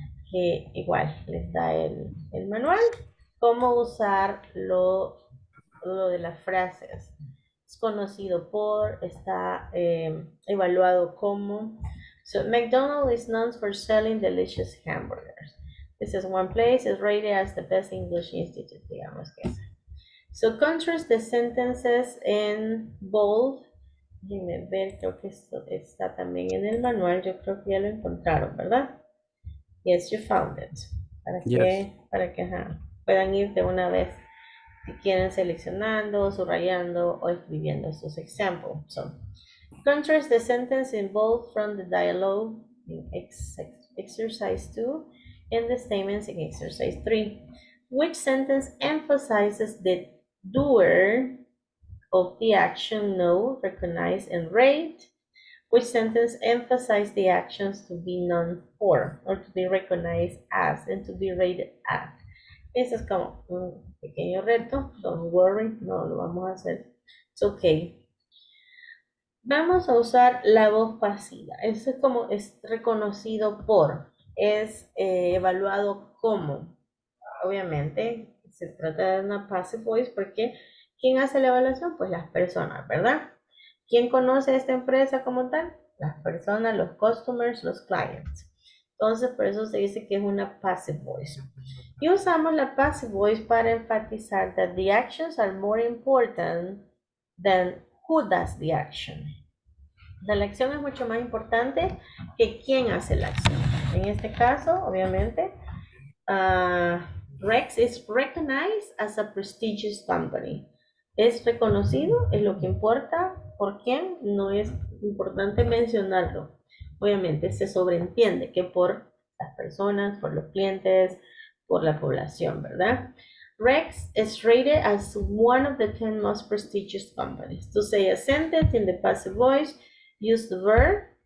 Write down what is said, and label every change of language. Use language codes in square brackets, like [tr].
[es] Que igual les da el manual. ¿Cómo usar lo de las frases? Es conocido por, está evaluado como. [en] So, McDonald's is known for selling delicious hamburgers. This is one place, it's rated as the best English institute, [es] digamos que es. [en] So, contrast the sentences in bold. [es] Déjenme ver, creo que esto está también en el manual. Yo creo que ya lo encontraron, ¿verdad? [en] Yes, you found it. [es] Para que puedan ir de una vez. Si quieren seleccionando, subrayando o escribiendo sus examples. [en] So, contrast the sentence in bold from the dialogue in exercise 2 and the statements in exercise 3. Which sentence emphasizes the doer of the action know, recognize, and rate? Which sentence emphasizes the actions to be known for or to be recognized as and to be rated as? [es] Eso es como un pequeño reto. [en] Don't worry. [es] No, lo vamos a hacer. [en] It's okay. [es] Vamos a usar la voz pasiva. Eso es como es reconocido por, es evaluado como. Obviamente, se trata de una passive voice porque ¿quién hace la evaluación? Pues las personas, ¿verdad? ¿Quién conoce esta empresa como tal? Las personas, los customers, los clients. Entonces, por eso se dice que es una passive voice. Y usamos la passive voice para enfatizar [en] that the actions are more important than who does the action. [es] La acción es mucho más importante que quién hace la acción. En este caso, obviamente, [en] Rex is recognized as a prestigious company. [es] Es reconocido, es lo que importa. ¿Por quién? No es importante mencionarlo. Obviamente se sobreentiende que por las personas, por los clientes, por la población, ¿verdad? [en] Rex is rated as one of the 10 most prestigious companies. To say a sentence in the passive voice, use the verb.